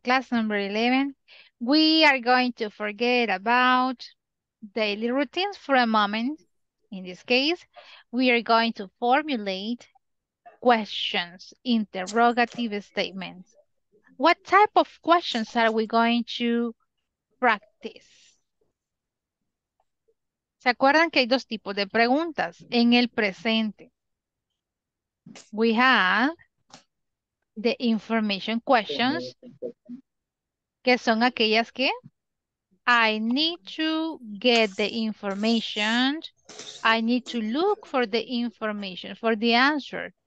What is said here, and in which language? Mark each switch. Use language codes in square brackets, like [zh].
[en] Class number 11. We are going to forget about daily routines for a moment. In this case, we are going to formulate questions, interrogative statements. What type of questions are we going to practice? [es] ¿Se acuerdan que hay dos tipos de preguntas en el presente? [en] We have the information questions, [es] que son aquellas que [en] I need to get the information, I need to look for the information, for the answer.